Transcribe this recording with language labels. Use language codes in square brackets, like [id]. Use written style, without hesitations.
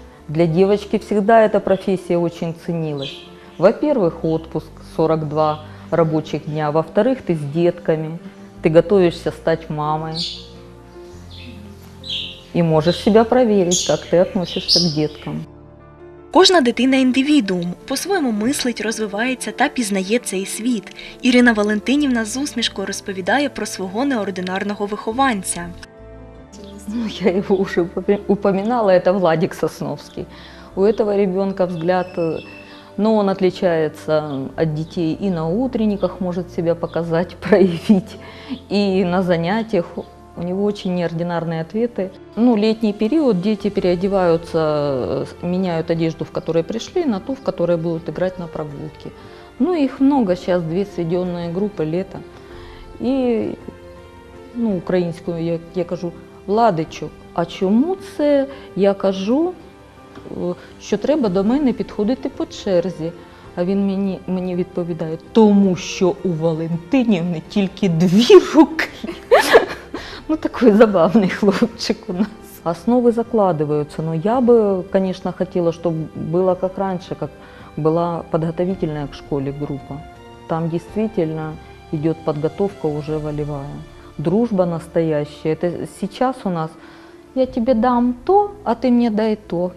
[ru] Для девочки всегда эта профессия очень ценилась. Во-первых, отпуск 42 рабочих дня. Во-вторых, ты с детками, ты готовишься стать мамой. И можешь себя проверить, как ты относишься к деткам. [uk] Кожна дитина – індивідуум, по-своєму мислить, розвивається та пізнає цей світ. Ірина Валентинівна з усмішкою розповідає про свого неординарного вихованця. Ну, я його вже упомінала, це Владик Сосновський. У цього дитина взгляд, ну, він відрізняється від дітей і на утренниках може себе показати, проявити, і на заняттях. [ru] У него очень неординарные ответы. Ну, летний период дети переодеваются, меняют одежду, в которой пришли, на ту, в которой будут играть на прогулке. Ну, их много сейчас, две сведенные группы лето. И, ну, украинскую [uk] я кажу, Владичу, а чому це? Я кажу, що треба до мене підходити по черзі. А він мені відповідає, тому що у Валентинівни тільки дві руки. [ru] Ну, такой забавный хлопчик у нас. Основы закладываются, но я бы, конечно, хотела, чтобы было как раньше, как была подготовительная к школе группа. Там действительно идет подготовка уже волевая. Дружба настоящая. Это сейчас у нас «я тебе дам то, а ты мне дай то».